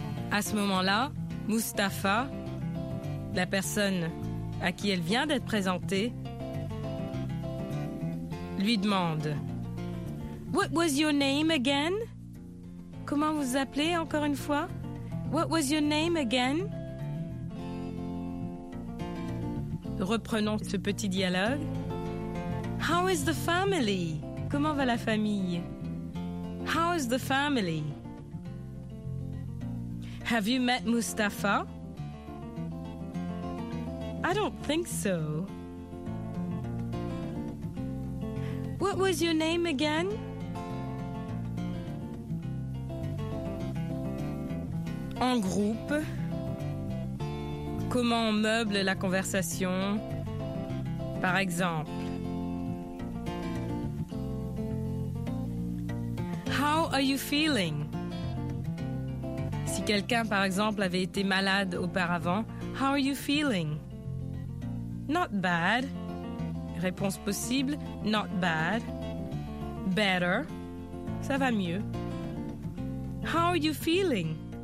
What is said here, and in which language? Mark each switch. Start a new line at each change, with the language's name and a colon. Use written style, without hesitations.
French: À ce moment-là, Mustapha, la personne à qui elle vient d'être présentée, lui demande «
English: What was your name again?
French: » Comment vous appelez encore une fois?
English: What was your name again?
French: Reprenons ce petit dialogue.
English: How is the family?
French: Comment va la famille?
English: How is the family? Have you met Mustapha? I don't think so. What was your name again?
French: En groupe, comment on meuble la conversation? Par exemple,
English: How are you feeling?
French: Si quelqu'un, par exemple, avait été malade auparavant,
English: How are you feeling? Not bad.
French: Réponse possible,
English: not bad. Better.
French: Ça va mieux.
English: How are you feeling?